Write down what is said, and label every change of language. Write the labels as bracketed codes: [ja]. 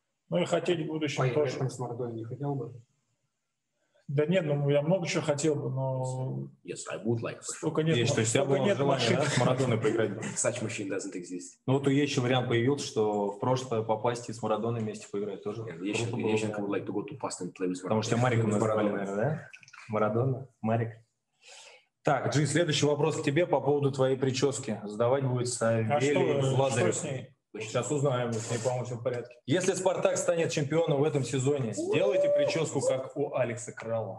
[ru] Ну и хотеть в будущем тоже. Поехать с Мордой не хотел бы? Да нет, ну я много чего хотел бы, но... [en] Yes, I would like. [ru] Столько нет, есть, столько то есть нет машин. Да, с Марадоной поиграть. [en] Such machine doesn't exist. [ru] Ну вот у Ещи вариант появился, что в прошлое попасть и с Марадоной вместе поиграть тоже. [en] Ещи, I would like to go to past and play with [ru] Потому что Мариком назвали, наверное, да? Марадона, Марик. Так, Джи, следующий вопрос к тебе по поводу твоей прически. Задавать будет Савелий Лазарев. А что с ней? Сейчас узнаем, с ней, по-моему, все в порядке. Если Спартак станет чемпионом в этом сезоне, сделайте прическу, как у Алекса Крала.